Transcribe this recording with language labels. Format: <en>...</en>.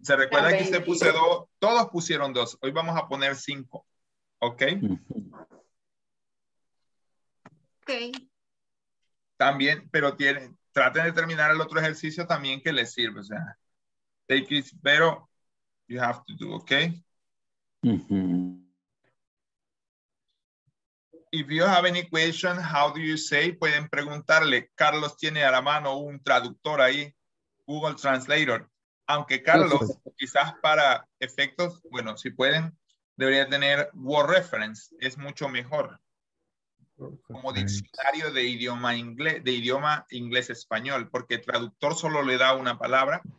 <es>¿Se recuerda que usted puso 2? Todos pusieron 2. Hoy vamos a poner 5. ¿Ok? Ok. También, pero tienen, traten de terminar el otro ejercicio también que les sirve. O sea,</es> <en>take it,</en> <es>pero...</es> <en>You have to do, okay? If you have any question, how do you say?</en> <es>Pueden preguntarle. Carlos tiene a la mano un traductor ahí, Google Translator. Aunque Carlos, quizás para efectos, bueno, si pueden, debería tener Word Reference. Es mucho mejor. Como diccionario de idioma inglés, español, porque el traductor solo le da una palabra.</es>